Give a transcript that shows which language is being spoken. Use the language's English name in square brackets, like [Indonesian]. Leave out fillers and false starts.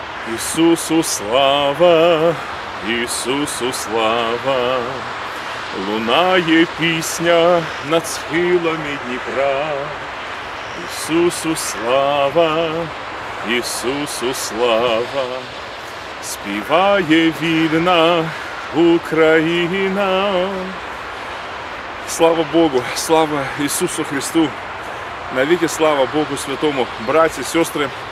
[Russian] Иисусу слава, Иисусу слава. [Ukrainian] Луна ей пісня над схилами Дніпра. [Russian] Иисусу слава, Иисусу слава. [Ukrainian] Співає вільна Україна. [Russian] Слава Богу, слава Иисусу Христу. Навеки слава Богу Святому, братья, сестры.